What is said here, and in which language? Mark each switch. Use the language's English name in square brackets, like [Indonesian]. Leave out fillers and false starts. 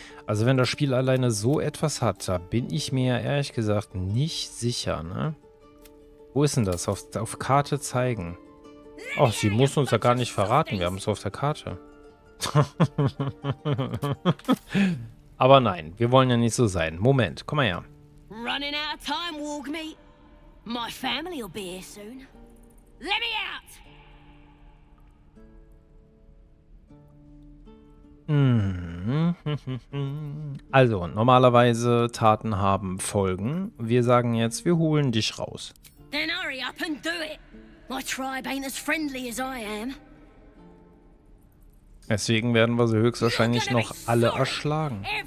[German] Also wenn das Spiel alleine so etwas hat, da bin ich mir ja ehrlich gesagt nicht sicher, ne? Wo ist denn das? Auf Karte zeigen. Ach, sie muss uns ja gar nicht verraten, wir haben es auf der Karte. Aber nein, wir wollen ja nicht so sein. Moment, komm mal her. [English] Running out of time, Wargmeat. My family will be here soon. Let me out! [German] Also, normalerweise Taten haben Folgen. Wir sagen jetzt, wir holen dich raus. [English] Then hurry up and do it. My tribe ain't as friendly as I am. [German] Deswegen werden wir sie höchstwahrscheinlich noch alle erschlagen.